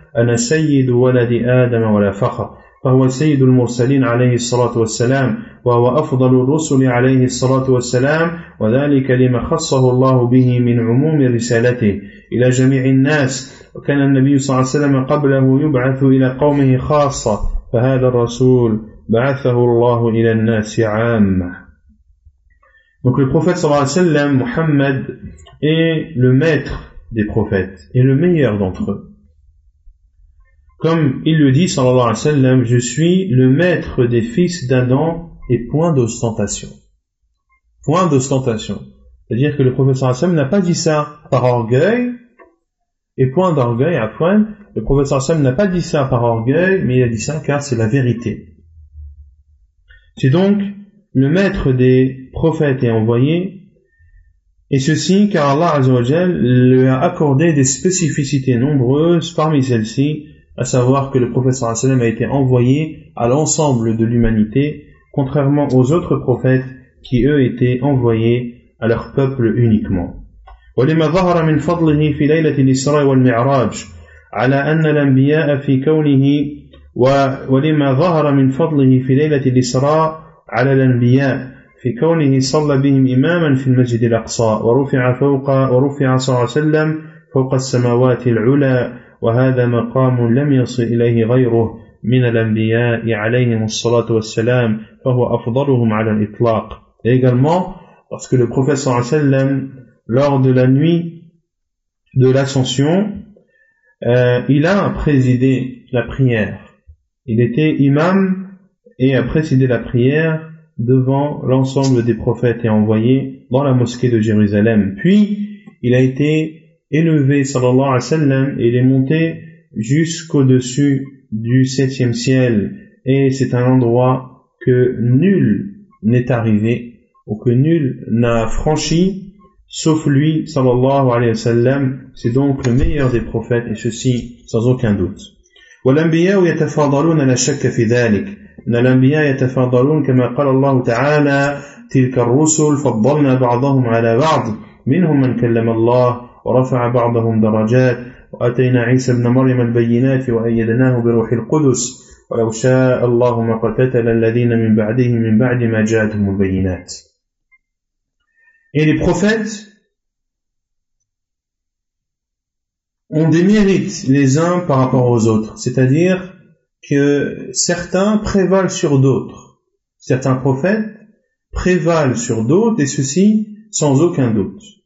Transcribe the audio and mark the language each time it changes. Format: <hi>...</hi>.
<ar>أنا سيد ولد آدم ولا فخر فهو سيد المرسلين عليه الصلاة والسلام وهو أفضل الرسل عليه الصلاة والسلام وذلك لما خصه الله به من عموم رسالته إلى جميع الناس وكان النبي صلى الله عليه وسلم قبله يبعث إلى قومه خاصة فهذا الرسول بعثه الله إلى الناس عامة.</ar> <fr>Donc le prophète</fr> <ar>صلى الله عليه وسلم</ar> <fr>محمد est le maître des prophètes et le meilleur d'entre eux. Comme il le dit, sallallahu alayhi wa sallam, je suis le maître des fils d'Adam et point d'ostentation. Point d'ostentation. C'est-à-dire que le prophète sallallahu alayhi wa sallam n'a pas dit ça par orgueil, et point d'orgueil à point. Le prophète sallallahu alayhi wa sallam n'a pas dit ça par orgueil, mais il a dit ça car c'est la vérité. C'est donc le maître des prophètes et envoyés, Et ceci car Allah Azzawajal lui a accordé des spécificités nombreuses parmi celles-ci, à savoir que le prophète sallallahu alayhi wa sallam a été envoyé à l'ensemble de l'humanité, contrairement aux autres prophètes qui eux étaient envoyés à leur peuple uniquement.</fr> <ar>ولما ظهر من فضله في ليلة الإسراء والمعراج على أن الأنبياء في كونه ولما ظهر من فضله في ليلة الإسراء على الأنبياء في كونه صلى بهم إماما في المسجد الأقصى ورفع صلى الله عليه وسلم فوق السماوات العلى وهذا مقام لم يصل إليه غيره من الأنبياء عليهم الصلاة والسلام فهو أفضلهم على الإطلاق.</ar> <fr>Également parce que le prophète</fr> <ar>صلى الله عليه وسلم</ar> <fr>lors de la nuit de l'ascension, il a présidé la prière. Il était imam et a présidé la prière devant l'ensemble des prophètes et envoyés dans la mosquée de Jérusalem. Puis, il a été élevé, sallallahu alayhi wa sallam, et il est monté jusqu'au-dessus du septième ciel. Et c'est un endroit que nul n'est arrivé ou que nul n'a franchi sauf lui, sallallahu alayhi wa sallam, c'est donc le meilleur des prophètes, et ceci sans aucun doute.</fr> <ar>والأنبياء يتفاضلون لا شك في ذلك. الأنبياء يتفاضلون كما قال الله تعالى تلك الرسل فضلنا بعضهم على بعض منهم من كلم الله ورفع بعضهم درجات وأتينا عيسى ابن مريم البينات وأيدناه بروح القدس ولو شاء الله ما قتتل الذين من بعدهم من بعد ما جاءتهم البينات.</ar> <fr>Et les prophètes ont des mérites les uns par rapport aux autres, c'est-à-dire que certains prévalent sur d'autres. Certains prophètes prévalent sur d'autres, et ceci sans aucun doute.</fr>